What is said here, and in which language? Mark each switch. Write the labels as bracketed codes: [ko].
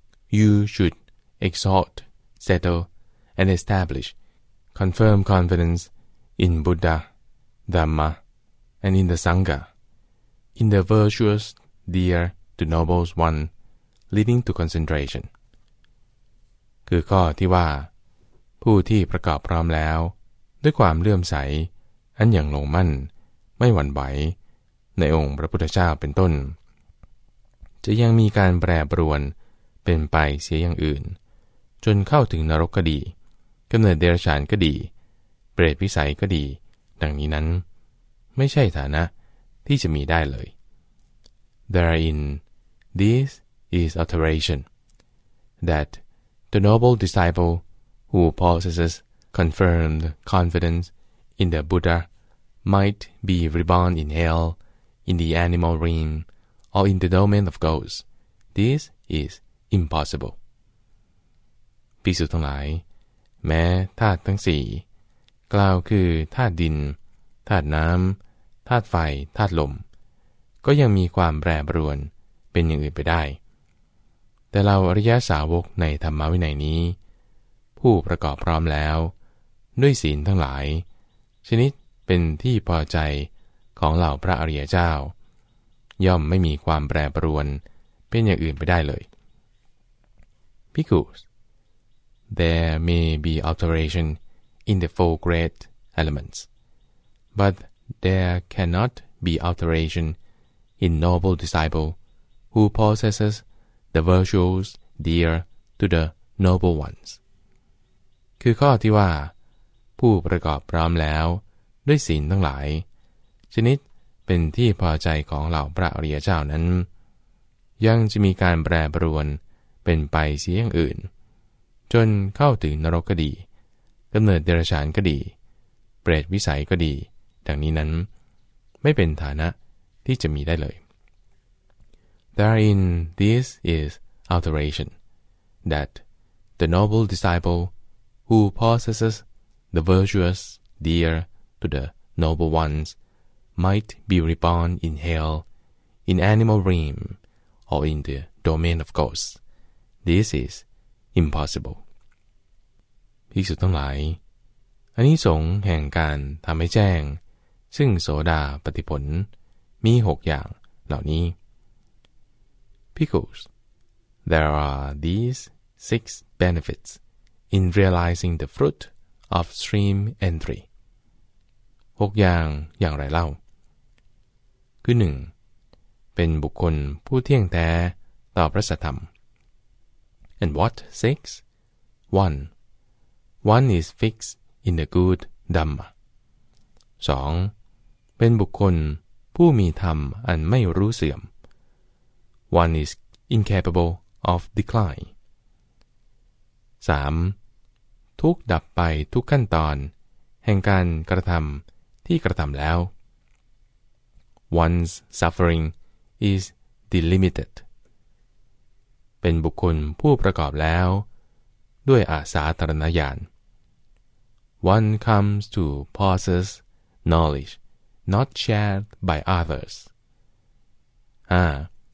[en] You should exalt, settle, and establish confirmed confidence in Buddha, Dhamma, and in the Sangha. In the virtuous dear to noble one leading to concentration [th] คือข้อที่ว่าผู้ที่ประกอบพร้อมแล้วด้วยความเลื่อมใสอันอย่างลงมั่นไม่หวั่นไหวในองค์พระพุทธเจ้าเป็นต้นจะยังมีการแปรปรวนเป็นไปเสียอย่างอื่นจนเข้าถึงนรกก็ดีกำเนิดเดรัจฉานก็ดีเปรตวิสัยก็ดีดังนี้นั้นไม่ใช่ฐานะที่จะมีได้เลย [en] Therein, this is alteration, that the noble disciple who possesses confirmed confidence in the Buddha might be reborn in hell, in the animal realm, or in the domain of ghosts. This is impossible. [th] ภิกษุทั้งหลายแม้ธาตุทั้ง4กล่าวคือธาตุดินธาตุน้ำธาตุไฟธาตุลมก็ยังมีความแปรปรวนเป็นอย่างอื่นไปได้แต่เราอริยสาวกในธรรมวินัยนี้ผู้ประกอบพร้อมแล้วด้วยศีลทั้งหลายชนิดเป็นที่พอใจของเหล่าพระอริยเจ้าย่อมไม่มีความแปรปรวนเป็นอย่างอื่นไปได้เลย [en] Because there may be alteration in the four great elements butThere cannot be alteration in noble disciple who possesses the virtues dear to the noble ones. [th] คือข้อที่ว่าผู้ประกอบพร้อมแล้วด้วยศีลทั้งหลายชนิดเป็นที่พอใจของเหล่าพระอริยเจ้านั้นยังจะมีการแปรปรวนเป็นไปเสียอย่างอื่นจนเข้าถึงนรกก็ดีกำเนิดเดรัจฉานก็ดีเปรตวิสัยก็ดีดังนี้นั้นไม่เป็นฐานะที่จะมีได้เลย [en] Therein this is alteration that the noble disciple who possesses the virtuous dear to the noble ones might be reborn in hell, in animal realm, or in the domain of ghosts. This is impossible. [th] ภิกษุทั้งหลายอนิสงส์แห่งการทำให้แจ้งซึ่งโสดาปัตติผลมี6อย่างเหล่านี้ [en] Because there are these 6 benefits in realizing the fruit of stream entry [th] 6อย่างอย่างไรเล่าคือ 1. เป็นบุคคลผู้เที่ยงแท้ต่อพระสัทธรรม [en] And what 6? 1. One is fixed in the good Dhamma 2. [th] เป็นบุคคลผู้มีธรรมอันไม่รู้เสื่อม [en] One is incapable of decline [th] 3. ทุกดับไปทุกขั้นตอนแห่งการกระทำที่กระทำแล้ว [en] One's suffering is delimited [th] เป็นบุคคลผู้ประกอบแล้วด้วยอาสาธารณญาณ [en] One comes to possess knowledge not shared by others [th] 5.